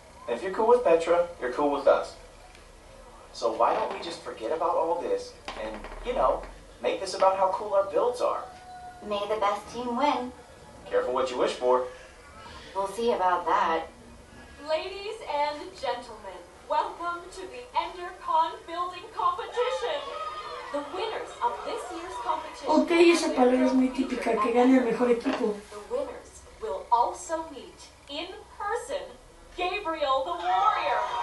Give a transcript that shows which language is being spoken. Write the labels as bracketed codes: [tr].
[en] If you're cool with Petra, you're cool with us. So why don't we just forget about all this and, you know, make this about how cool our builds are? May the best team win. Careful what you wish for. We'll see about that. Ladies and gentlemen, welcome to the EnderCon building competition. The winners of this year's competition. [es] Okay, esa palabra es muy típica, que gane el mejor equipo. [en] The winners will also meet in person Gabriel the Warrior.